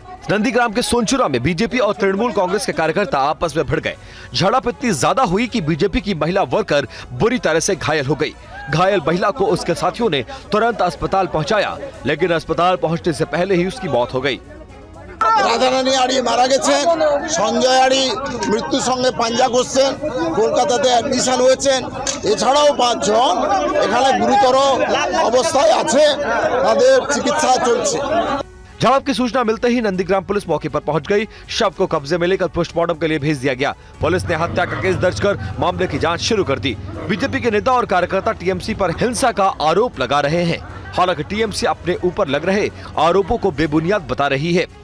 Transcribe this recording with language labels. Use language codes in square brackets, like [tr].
[hi] नंदीग्राम के सोनचुरा में बीजेपी और तृणमूल कांग्रेस के कार्यकर्ता आपस में भिड़ गए। झड़प इतनी ज्यादा हुई कि बीजेपी की महिला वर्कर बुरी तरह से घायल हो गई। घायल महिला को उसके साथियों ने तुरंत अस्पताल पहुंचाया, लेकिन अस्पताल पहुंचने से पहले ही उसकी मौत हो गई। [bn] রাধারানী আড়ি মারা গেছেন, সঞ্জয় আড়ি মৃত্যুর সঙ্গে পাঞ্জা করছেন, কলকাতাতে অ্যাডমিশন হয়েছেন, এছাড়াও পাঁচজন এখানে গুরুতর অবস্থায় আছে, তাদের চিকিৎসা চলছে। [hi] झड़प की सूचना मिलते ही नंदीग्राम पुलिस मौके पर पहुंच गई। शव को कब्जे में लेकर पोस्टमार्टम के लिए भेज दिया गया। पुलिस ने हत्या का केस दर्ज कर मामले की जांच शुरू कर दी। बीजेपी के नेता और कार्यकर्ता टीएमसी पर हिंसा का आरोप लगा रहे हैं। हालांकि टीएमसी अपने ऊपर लग रहे आरोपों को बेबुनियाद बता रही है।